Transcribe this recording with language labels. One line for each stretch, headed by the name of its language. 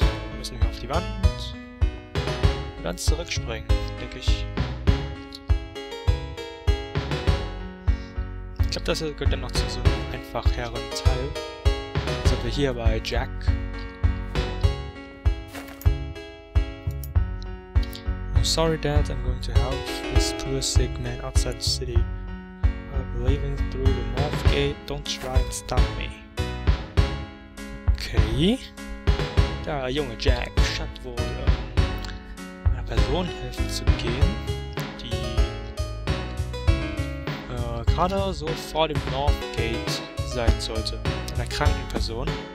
German: Wir müssen hier auf die Wand und dann zurückspringen, denke ich. Ich glaube, das gehört dann noch zu so einem einfacheren Teil. Jetzt sind wir hier bei Jack.
English: Sorry, Dad, I'm going to help this poor sick man outside the city. I'm leaving through the north gate. Don't try and stop me. Okay.
German: Der junge Jack scheint wohl einer Person helfen zu gehen, die gerade so vor dem North Gate sein sollte. Einer kranken Person.